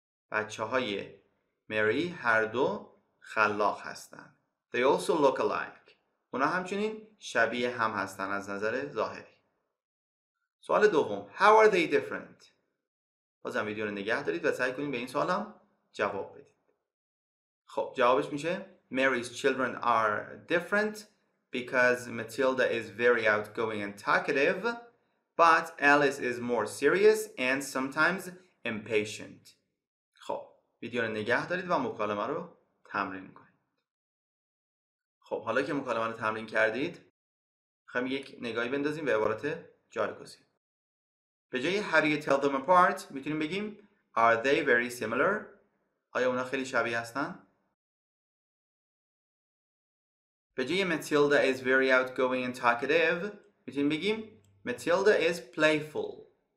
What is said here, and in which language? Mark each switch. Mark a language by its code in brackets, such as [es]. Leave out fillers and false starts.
[fa] بچه های مری هر دو خلاق هستن. [en] They also look alike. [fa] اونا همچنین شبیه هم هستن از نظر ظاهری. سوال دوم. [en] How are they different? [fa] بازم ویدیو رو نگه دارید و سعی کنید به این سوال هم جواب بدید. خب جوابش میشه [en] Mary's children are different because Matilda is very outgoing and talkative, but Alice is more serious and sometimes impatient. [fa] خب ویدیو رو نگه دارید و مکالمه رو تمرین کنید. خب حالا که مکالمه رو تمرین کردید خب یک نگاهی بندازیم به عبارات جایگزین. به جای [en] How do you tell them apart [fa] میتونیم بگیم [en] Are they very similar؟ [fa] آیا اونا خیلی شبیه هستن؟ به جای [en] Matilda is very outgoing and talkative [fa] میتونیم بگیم [en] Matilda is playful.